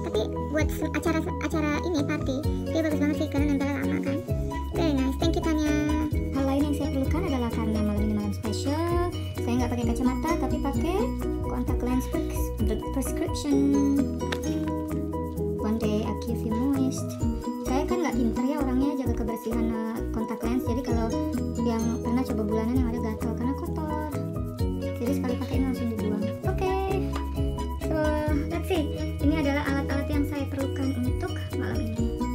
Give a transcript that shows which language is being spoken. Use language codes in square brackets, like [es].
[id] Tapi buat acara ini party, dia bagus banget sih karena nempel lama kan. [en] Very nice, thank you Tanya. [id] Hal lain yang saya perlukan adalah karena malam ini malam spesial, saya nggak pakai kacamata tapi pakai contact lens prescription. [en] One day I'll keep you moist. [id] Saya kan nggak pintar ya orangnya jaga kebersihan contact lens, jadi kalau yang pernah coba bulanan yang ada gatal karena kotor, jadi sekali pakai ini langsung dibuang. Oke. [en] So let's see. [id] Ini adalah alat-alat yang saya perlukan untuk malam ini.